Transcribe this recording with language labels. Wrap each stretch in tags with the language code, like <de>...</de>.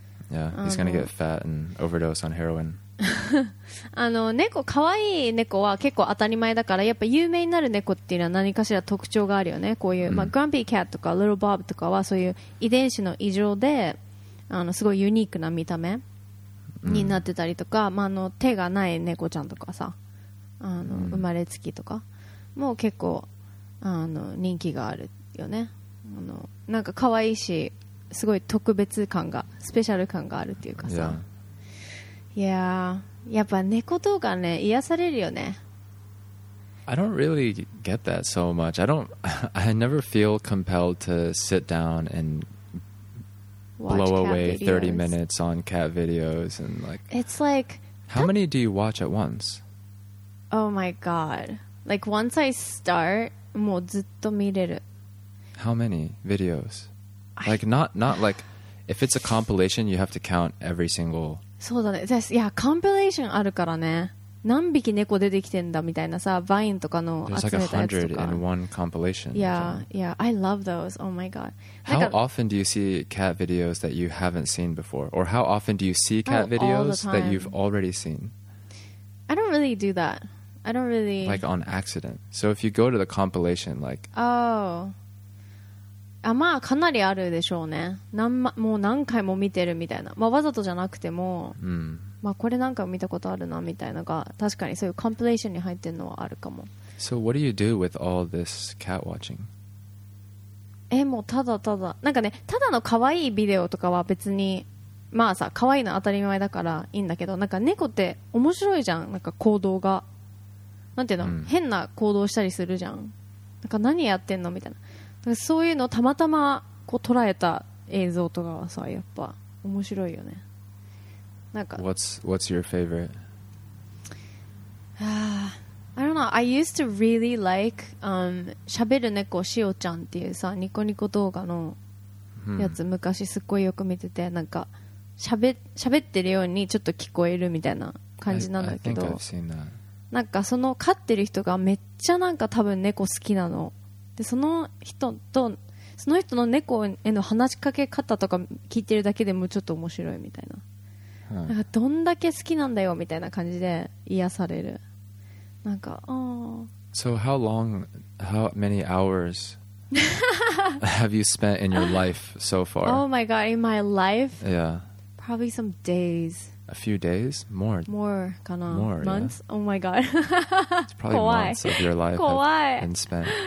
<en>Yeah, he's gonna get fat and overdose on heroin.</en> <ja>猫、可愛い猫は結構当たり前だから、やっぱ有名になる猫っていうのは何かしら特徴があるよね。こういう、mm. まあ、グランピーキャットとかリトルボブとかはそういう遺伝子の異常で、すごいユニークな見た目になってたりとか、mm. まあ、手がない猫ちゃんとかさ、mm. 生まれつきとかも結構人気があるよね。なんか可愛いし、すごい特別感が、スペシャル感があるっていうかさ、yeah. いやー、やっぱ猫動画ね、癒されるよね。</ja> <en>I don't really get that so much. I never feel compelled to sit down and blow away 30 minutes on cat videos and like, It's like How many do you watch at once? Oh my god. Like once I start,</en> <ja>もうずっと見れる。</ja> <en>How many videos? Like, not like... If it's a compilation, you have to count every single...</en> <ja>そうだね。いや、compilation あるからね。何匹猫出てきてんだみたいなさ、バインとかの集めたやつとか。</ja> <en>There's like 100 in one compilation. Yeah, yeah, I love those. Oh my god. How often do you see cat videos that you haven't seen before, or how often do you see cat videos that you've already seen? I don't really do that. I don't really like on accident. So if you go to the compilation, like</en> <ja>oh, まあかなりあるでしょうね。何もう何回も見てるみたいな。まあわざとじゃなくても。まあこれなんか見たことあるなみたいなが、確かにそういうコンピレーションに入ってるのはあるかも。</ja> <en>So what do you do with all this cat watching?</en> <ja>もうただただなんかね、ただの可愛いビデオとかは別にまあさ、可愛いのは当たり前だからいいんだけど、なんか猫って面白いじゃん、なんか行動がなんていうの、変な行動したりするじゃん、なんか何やってんのみたいな、なんかそういうのたまたまこう捉えた映像とかはさ、やっぱ面白いよね。</ja> <en>What's your favorite? I don't know. I used to really like</en> <ja>Shaberu Neko Shio Chan っていうさ、ニコニコ動画のやつ、昔すっごいよく見てて、なんか喋ってるようにちょっと聞こえるみたいな感じなんだけど、</ja> <en>I think I've seen that.</en> <ja>なんかその飼ってる人がめっちゃなんか多分猫好きなので、その人とその人の猫への話しかけ方とか聞いてるだけでもちょっと面白いみたいな、なんかどんだけ好きなんだよみたいな感じで癒される、なんか、</ja> <en>So how long, how many hours have you spent in your life so far? Oh my god, in my life? Yeah. Probably some days. A few days? More.</en> <ja>More かな。</ja> <en>More, months? Yeah. Oh my god. It's probably months of your life have been spent.</en>